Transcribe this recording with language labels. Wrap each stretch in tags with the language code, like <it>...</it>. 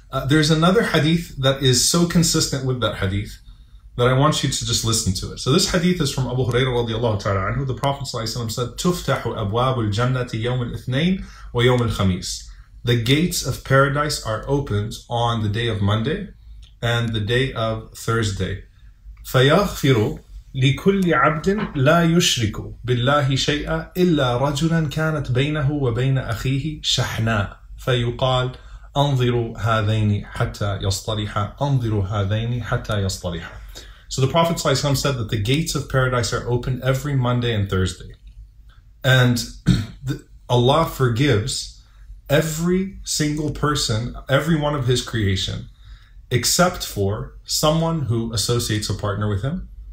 <en>There's another hadith that is so consistent with that hadith that I want you to just listen to it. So this hadith is from Abu Huraira radiallahu ta'ala anhu. The Prophet ﷺ said,</en> <ar>"Tuftahu abwabul jannati yawm al-ithnain wa yawm al-khamis."</ar> <en>The gates of paradise are opened on the day of Monday and the day of Thursday.</en> <ar>فيغفر لكل عبد لا يشرك بالله شيئا إلا رجلا كانت بينه وبين أخيه شحناء فيقال أنظروا هذين حتى يصطلحا أنظروا هذين حتى يصطلحا.</ar> <en>So the Prophet ﷺ said that the gates of paradise are open every Monday and Thursday. And Allah forgives every single person, every one of his creation, except for someone who associates a partner with him.</en>